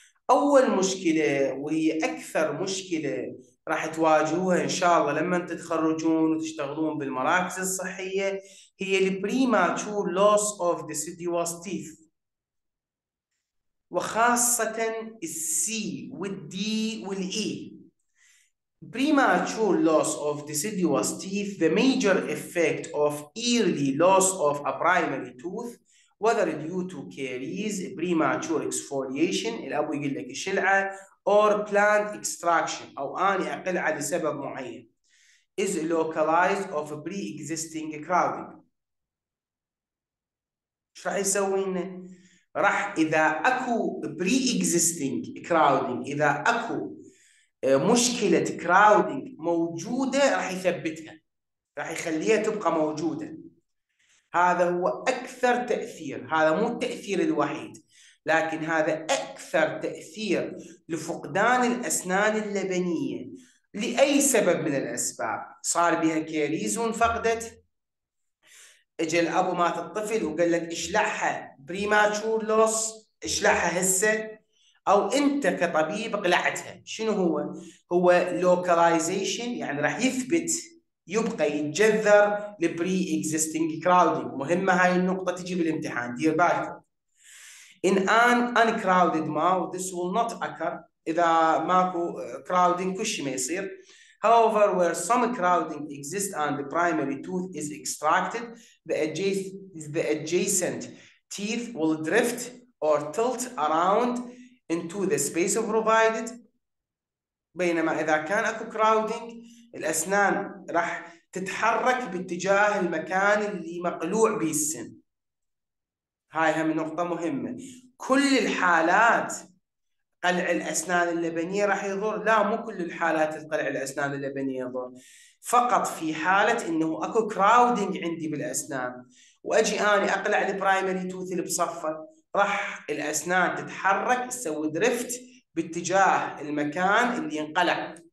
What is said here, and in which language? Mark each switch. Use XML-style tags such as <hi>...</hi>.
<ar>اول مشكله وهي اكثر مشكله راح تواجهوها ان شاء الله لما تتخرجون وتشتغلون بالمراكز الصحيه هي البريماتشور لوس اوف ديسيديوس تيث، وخاصة السي والدي والإي.</ar> <en>Premature loss of deciduous teeth, the major effect of early loss of a primary tooth, whether due to caries, premature exfoliation،</en> <ar>الابو يقول لك الشلعه،</ar> <en>or plant extraction،</en> <ar>او اني اقلع لسبب معين،</ar> <en>is localized of pre-existing crowding.</en> <ar>ايش راح يسوي لنا؟ راح اذا اكو pre-existing crowding، اذا اكو مشكلة كراودنج موجودة راح يثبتها، راح يخليها تبقى موجودة. هذا هو أكثر تأثير، هذا مو التأثير الوحيد، لكن هذا أكثر تأثير لفقدان الأسنان اللبنية لأي سبب من الأسباب. صار بها كاريز وانفقدت، إجا الأبو مات الطفل وقال لك اشلعها بريماتشور لوس، اشلعها هسه، او انت كطبيب قلعتها. شنو هو؟ هو localization، يعني راح يثبت، يبقى يتجذر لبري اكزيستنج كراودنج. مهمه هاي النقطه تجي بالامتحان، دير بالك.</ar> <en>in in in crowded mouth this will not occur,</en> <ar>اذا ماكو كراودنج كل شيء ما يصير.</ar> <en>However, where some crowding exists and the primary tooth is extracted, the adjacent teeth will drift or tilt around into the space provided.</en> <ar>بينما إذا كان أكو crowding، الأسنان راح تتحرك باتجاه المكان اللي مقلوع به السن. هاي هم نقطة مهمة. كل الحالات قلع الأسنان اللبنية راح يضر؟ لا، مو كل الحالات قلع الأسنان اللبنية يضر، فقط في حالة إنه أكو crowding عندي بالأسنان، وأجي أنا أقلع البرايمري توث اللي بصفة، راح الأسنان تتحرك، تسوي دريفت باتجاه المكان اللي انقلع.</ar>